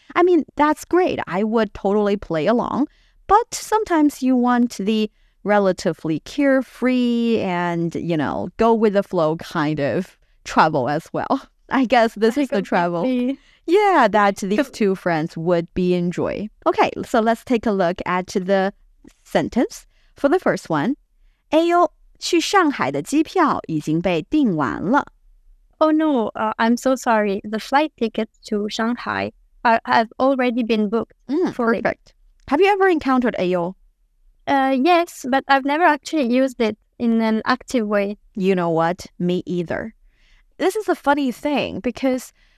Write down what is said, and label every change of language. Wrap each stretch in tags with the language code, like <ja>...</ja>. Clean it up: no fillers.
<en>I mean, that's great. I would totally play along. But sometimes you want the relatively carefree and, you know, go with the flow kind of travel as well. I guess this is the travel. Yeah, that these two friends would be enjoy. Okay, so let's take a look at the sentence for the first one.</en> <zh>哎呦，去上海的机票已经被订完了。</zh> <en>Oh no, I'm so sorry. The flight tickets to Shanghai have already been booked. Perfect. Have you ever encountered 哎呦? Yes, but I've never actually used it in an active way. You know what? Me either. This is a funny thing because...</en>